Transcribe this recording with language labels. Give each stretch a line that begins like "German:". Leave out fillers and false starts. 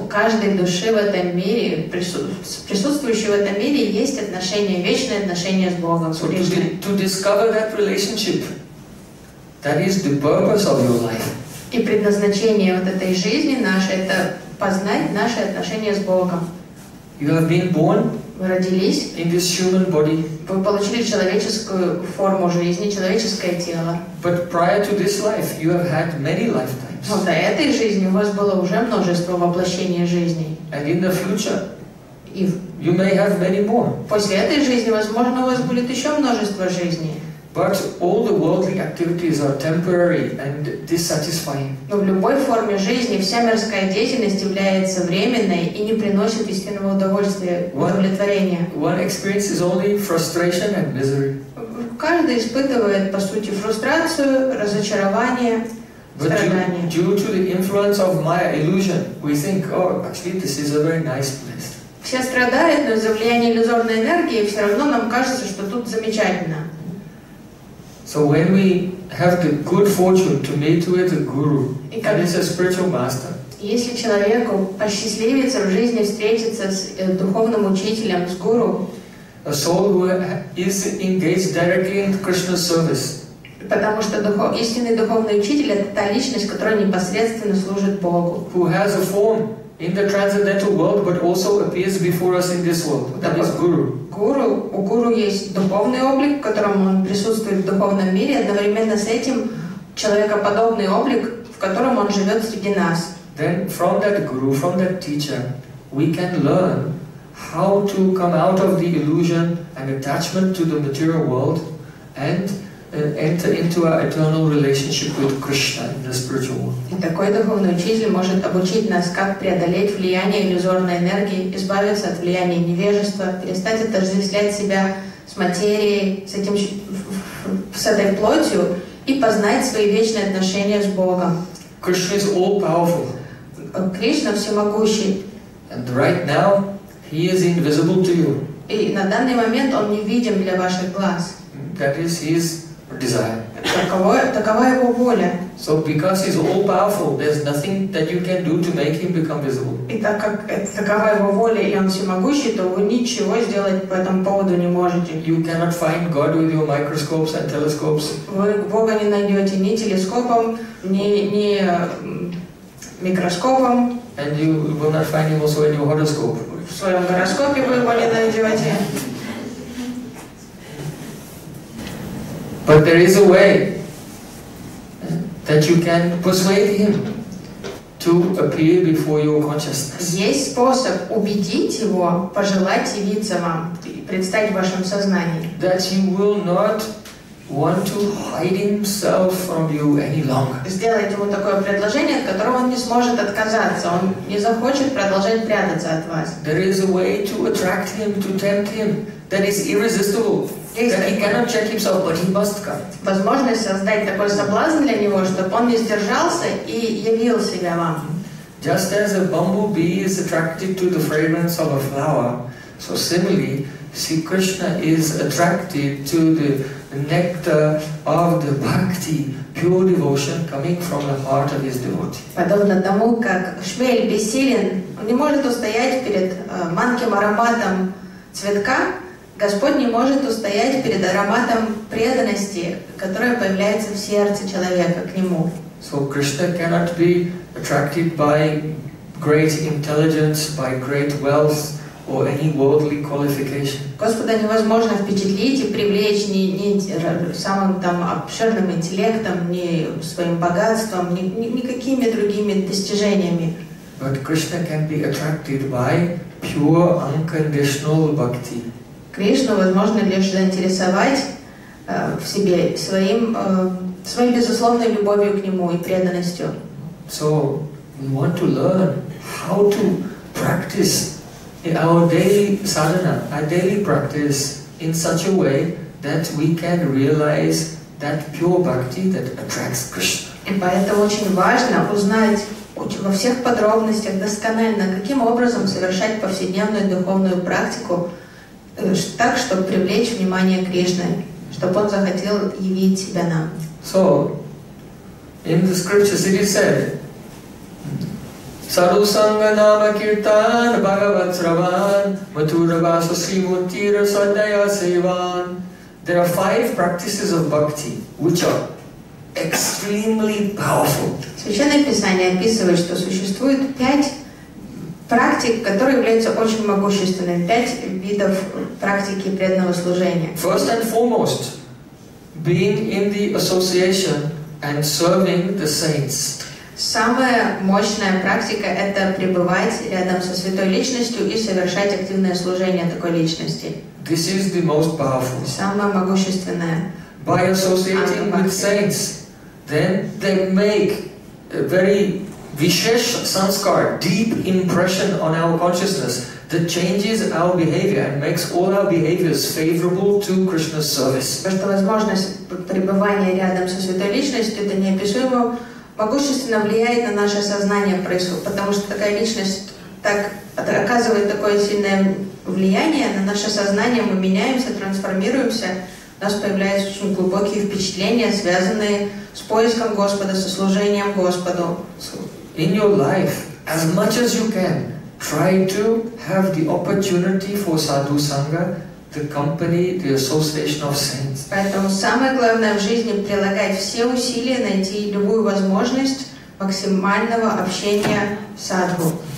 Russian: У каждой души в этом мире, присутствующей в этом мире, есть отношение, вечное отношение с Богом.
English: So to discover that relationship, that is the purpose of your life.
Russian: И предназначение вот этой жизни нашей – это познать наши отношения с Богом.
English: You have been born.
Russian: Вы родились.
English: In this human body.
Russian: Вы получили человеческую форму жизни, человеческое тело.
English: But prior to this life, you have had many lifetimes.
Russian: Но до этой жизни у вас было уже множество воплощений жизни.
English: And in the future, you may have many more.
Russian: После этой жизни, возможно, у вас будет еще множество жизней.
English: But all the worldly activities are temporary and dissatisfying.
Russian: Но в любой форме жизни вся мирская деятельность является временной и не приносит истинного удовольствия, удовлетворения.
English: One experience is only frustration and misery.
Russian: Каждый испытывает, по сути, фрустрацию, разочарование.
English: But due to the influence of Maya illusion, we think, oh, actually, this is a very nice place.
Russian: Все страдают, но из-за влияния иллюзорной энергии все равно нам кажется, что тут замечательно.
English: So when we have the good fortune to meet with a guru, that is a spiritual master.
Russian: Если человеку посчастливится в жизни встретиться с духовным учителем, с гуру,
English: a soul who is engaged directly in Krishna's service.
Russian: Потому что истинный духовный учитель – это та личность, которая непосредственно служит Богу.
English: Who has a form in the transcendental world, but also appears before us in this world. That is guru.
Russian: Гуру. У гуру есть духовный облик, в котором он присутствует в духовном мире. Одновременно с этим человекоподобный облик, в котором он живет среди нас.
English: Then from that guru, from that teacher, we can learn how to come out of the illusion and attachment to the material world and enter into our eternal relationship with Krishna in the spiritual world.
Russian: И такой духовный учитель может обучить нас, как преодолеть влияние иллюзорной энергии, избавиться от влияния невежества, перестать отождествлять себя с материей, с этой плотью и познать свои вечные отношения с Богом.
English: Krishna is all powerful.
Russian: Кришна всемогущий.
English: And right now he is invisible to you.
Russian: И на данный момент он невидим для ваших глаз.
English: That is his desire.
Russian: Такова его воля.
English: So because he's all powerful, there's nothing that you can do to make him become visible.
Russian: И так как такова его воля и он всемогущий, то вы ничего сделать по этому поводу не можете.
English: You cannot find God with your microscopes and telescopes.
Russian: Вы Бога не найдете ни телескопом, ни микроскопом.
English: And you will not find him also in your horoscope.
Russian: В своем гороскопе вы его не найдете.
English: But there is a way that you can persuade him to to appear before your consciousness.
Russian: Есть способ убедить его пожелать явиться вам и предстать в вашем сознании.
English: That he will not want to hide himself from you any longer.
Russian: Сделать ему такое предложение, от которого он не сможет отказаться, он не захочет продолжать прятаться от вас.
English: There is a way to attract him, to tempt him, that is irresistible. He cannot check himself, but he must come.
Russian: Возможность создать такой соблазн для него, чтобы он не сдержался и явил себя вам.
English: Just as a bumblebee is attracted to the fragrance of a flower, so similarly, Sri Krishna is attracted to the nectar of the bhakti, pure devotion coming from the heart of his devotee.
Russian: Подобно тому, как шмель бессилен, он не может устоять перед манким ароматом цветка, Господь не может устоять перед ароматом преданности, которая появляется в сердце человека к Нему.
English: So Krishna cannot be attracted by great intelligence, by great wealth, or any worldly qualification.
Russian: Господа невозможно впечатлить и привлечь ни самым там обширным интеллектом, ни своим богатством, ни какими другими достижениями.
English: But Krishna can be attracted by pure, unconditional bhakti.
Russian: Кришну возможно лишь заинтересовать в себе своей безусловной любовью к Нему и преданностью.
English: So we want to learn how to practice in our daily sadhana, our daily practice in such a way that we can realize that pure bhakti that attracts Krishna.
Russian: И поэтому очень важно узнать во всех подробностях досконально, каким образом совершать повседневную духовную практику так, чтобы привлечь внимание Кришны, чтобы Он захотел явить себя нам.
English: So, in the scriptures it is said,
Sanskrit: Sadhu Sangha Nama Kirtan Bhagavat Sravan Maturabhasa Srimuntira Sadaya Sevan.
English: There are five practices of bhakti, which are extremely powerful.
Russian: Священное Писание описывает, что существует пять практик, которые являются очень могущественными. Пять видов практики преданного служения.
English: First and foremost, being in the association and serving the saints.
Russian: Самая мощная практика – это пребывать рядом со святой личностью и совершать активное служение такой личности.
English: This is the most powerful.
Russian: Самая могущественная.
English: By associating with saints, then they make a very Vishesh sanskar, deep impression on our consciousness that changes our behavior and makes all our behaviors favorable to Krishna's service.
Russian: Что возможность пребывания рядом со святой личностью, это неописуемо могущественно влияет на наше сознание, потому что такая личность так оказывает такое сильное влияние на наше сознание, мы меняемся, трансформируемся, у нас появляются очень глубокие впечатления, связанные с поиском Господа, со служением Господу.
English: In your life, as much as you can, try to have the opportunity for sadhu sangha, the company, the association of saints.
Russian: Поэтому самое главное в жизни прилагать все усилия найти любую возможность максимального общения с садху.